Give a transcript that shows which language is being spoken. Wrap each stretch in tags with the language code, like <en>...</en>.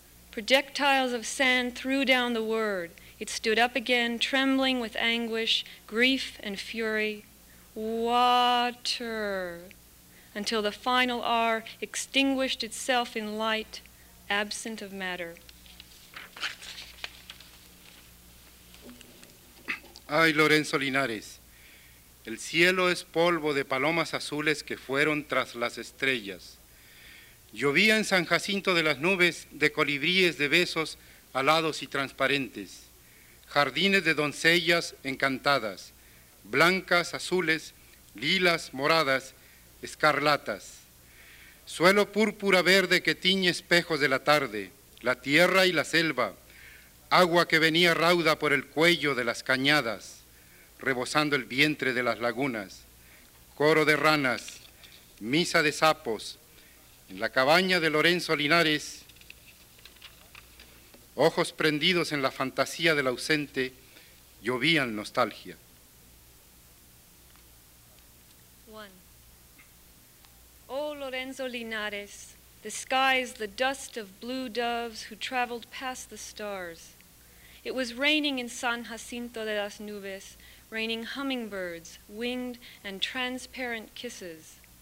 <en>Projectiles of sand threw down the word. It stood up again, trembling with anguish, grief, and fury. Water, until the final R extinguished itself in light, absent of matter.</en> <es>Ay, Lorenzo Linares, el cielo es polvo de palomas azules que fueron tras las estrellas. Llovía en San Jacinto de las nubes de colibríes de besos alados y transparentes, jardines de doncellas encantadas, blancas, azules, lilas, moradas, escarlatas. Suelo púrpura verde que tiñe espejos de la tarde, la tierra y la selva, agua que venía rauda por el cuello de las cañadas, rebosando el vientre de las lagunas, coro de ranas, misa de sapos, en la cabaña de Lorenzo Linares, ojos prendidos en la fantasía del ausente, llovían nostalgia.</es> <en>One. Oh, Lorenzo Linares, the sky is the dust of blue doves who traveled past the stars. It was raining in San Jacinto de las Nubes, raining hummingbirds, winged and transparent kisses.</en>